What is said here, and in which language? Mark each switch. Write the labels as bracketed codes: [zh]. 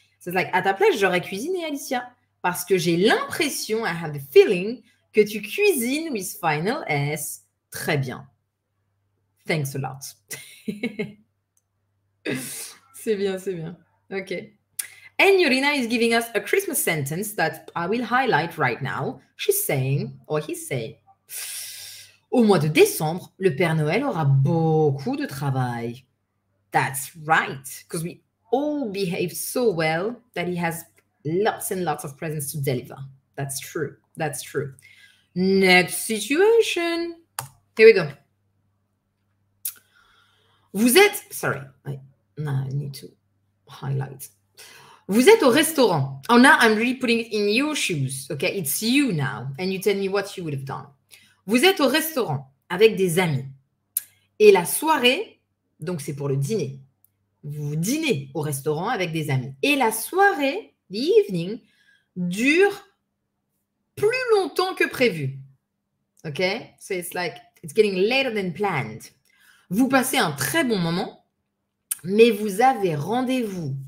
[en] So it's like, [fr] à ta place, j'aurais cuisiné, Alicia. Parce que j'ai l'impression, [en] I have the feeling, [fr] que tu cuisines with final S très bien. [en] Thanks a lot. [fr] C'est bien, c'est bien. OK. [en] And Yurina is giving us a Christmas sentence that I will highlight right now. She's saying, or he's saying, [fr] au mois de décembre, le Père Noël aura beaucoup de travail. [en] That's right, because we all behave so well that he has lots and lots of presents to deliver. That's true. That's true. Next situation. Here we go. [fr] Vous êtes, [en] sorry, I need to highlight. [fr] Vous êtes au restaurant. [en] Oh, now I'm really putting it in your shoes. OK, it's you now. And you tell me what you would have done. [fr] Vous êtes au restaurant avec des amis. Et la soirée, donc c'est pour le dîner. Vous dînez au restaurant avec des amis. Et la soirée, l'evening, dure plus longtemps que prévu. OK? [en] So it's like, it's getting later than planned. [fr] Vous passez un très bon moment, mais vous avez rendez-vous.